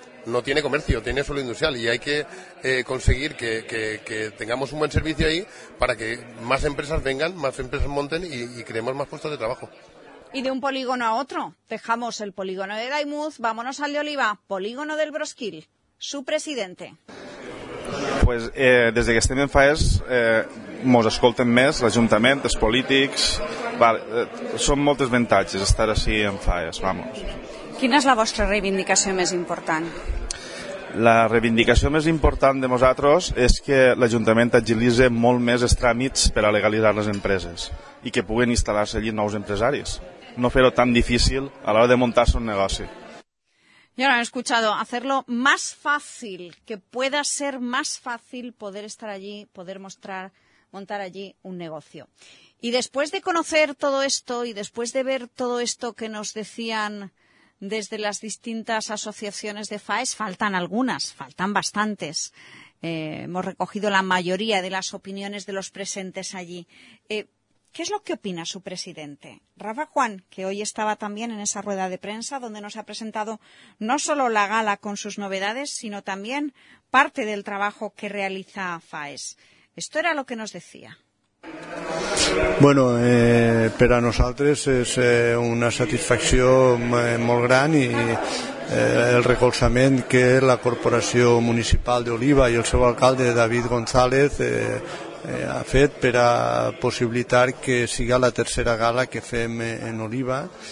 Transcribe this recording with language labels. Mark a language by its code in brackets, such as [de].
[es] no tiene comercio, tiene suelo industrial, y hay que conseguir que tengamos un buen servicio ahí para que más empresas vengan, más empresas monten y creemos más puestos de trabajo. Y de un polígono a otro, dejamos el polígono de Daimuz, vámonos al de Oliva, polígono del Brosquil, su presidente. [ca] Pues des que estem en FAES mos escolten més, l'Ajuntament, els polítics, són moltes avantatges estar així en FAES, [es] vamos. [ca] Quina és la vostra reivindicació més important? La reivindicació més important de nosaltres és que l'Ajuntament agilitzi molt més els tràmits per a legalitzar les empreses i que puguin instal·lar-se allí nous empresaris. No fer-ho tan difícil a l'hora de muntar-se un negoci. [es] Ya lo han escuchado, hacerlo más fácil, que pueda ser más fácil poder estar allí, poder mostrar, montar allí un negocio. Y después de conocer todo esto y después de ver todo esto que nos decían desde las distintas asociaciones de FAES, faltan algunas, faltan bastantes. Hemos recogido la mayoría de las opiniones de los presentes allí. ¿Qué es lo que opina su presidente? Rafa Juan, que hoy estaba también en esa rueda de prensa donde nos ha presentado no solo la gala con sus novedades, sino también parte del trabajo que realiza FAES. Esto era lo que nos decía. [ca] Bueno, per a nosaltres és una satisfacció molt gran i el recolzament que la Corporació Municipal d'Oliva i el seu alcalde David González ha fet per a possibilitar que siga la tercera gala que fem en Oliva.